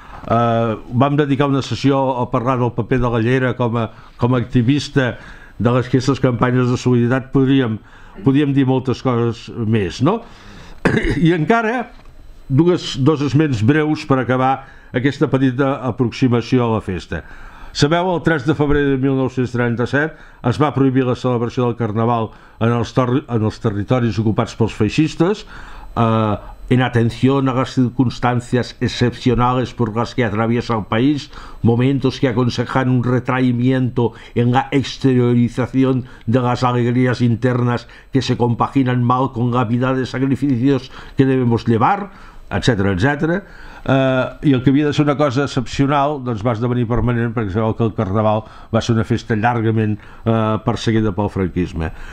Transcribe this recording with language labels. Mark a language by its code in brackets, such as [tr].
[ca] Vam dedicar una sessió a parlar del paper de la Llera com a activista de les aquestes campanyes de solidaritat podríem dir moltes coses més, no? I encara dos esments breus per acabar aquesta petita aproximació a la festa. Sabeu, el 3 de febrer de 1937 es va prohibir la celebració del Carnaval en els territoris ocupats pels feixistes, [es] en atención a las circunstancias excepcionales por las que atraviesa el país, momentos que aconsejan un retraimiento en la exteriorización de las alegrías internas que se compaginan mal con la vida de sacrificios que debemos llevar, etc, etc. [ca] I el que havia de ser una cosa excepcional, doncs va esdevenir permanent, perquè sabeu que el Carnaval va ser una festa llargament perseguida pel franquisme.